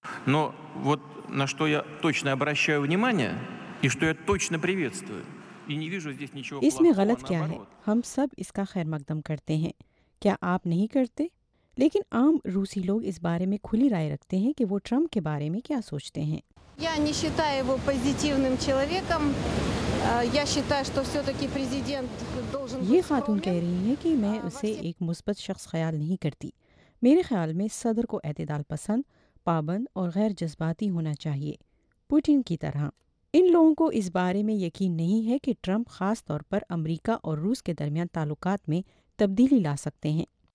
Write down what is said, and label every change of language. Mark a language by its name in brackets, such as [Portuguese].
[Russian] नो वोट ना शो या टोचना अब्रशाया वनिमानिया и что я точно приветствую. [Hindi] इसमें गलत क्या है? हम सब इसका खैर मकदम करते हैं, क्या आप नहीं करते? लेकिन आम रूसी लोग इस बारे में खुली राय रखते हैं कि वो ट्रंप के बारे में क्या सोचते हैं। [Russian] Я не считаю его позитивным человеком. Я считаю, что всё-таки президент должен [Hindi] ये खातून कह रही है कि मैं उसे एक मुस्बत शख्स ख्याल नहीं करती। मेरे ख्याल में सदर को एतदाल पसंद, पाबंद और गैर जज्बाती होना चाहिए, पुतिन की तरह। इन लोगों को इस बारे में यकीन नहीं है कि ट्रंप खास तौर पर अमेरिका और रूस के दरमियान ताल्लुकात में तब्दीली ला सकते हैं।